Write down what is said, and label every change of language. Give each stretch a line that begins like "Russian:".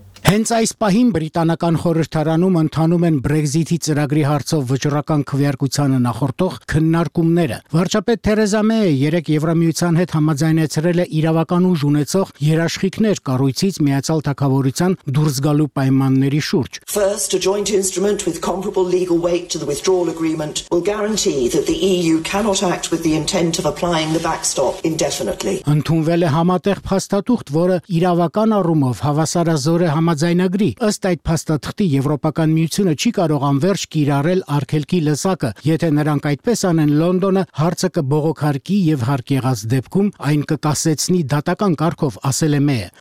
Armenian: Հենց այս պահին բրիտանական խորհրդարանում ընթանում են Բրեքզիթի ծրագրի հարցով վճռական քվեարկությանը նախորդող քննարկումները։ Վարչապետ Թերեզա Մեյը երեկ Եվրամիության հետ համաձայնեցրել է իրավական ուժ ունեցող երաշխիքներ կառույցից Միացյալ Թագավորության դուրս գալու պայմանների շուրջ։
English: First, a joint instrument with comparable legal weight to the withdrawal agreement will guarantee that the EU cannot act with the intent of applying the backstop indefinitely.
Armenian: Ընդունվել է համատեղ փաստաթուղթ, որը իրավական առումով հավասարազոր է համաձայնագրի։ Ըստ այդ փաստաթղթի Եվրոպական Միությունը չի կարող անվերջ կիրառել արգելքի լսակը, եթե նրանք այդպես անեն, Լոնդոնը հարցը կբողոքարկի եւ հարկ եղած դեպքում այն կկասեցնի դատական կարգով, ասել է Մեյը։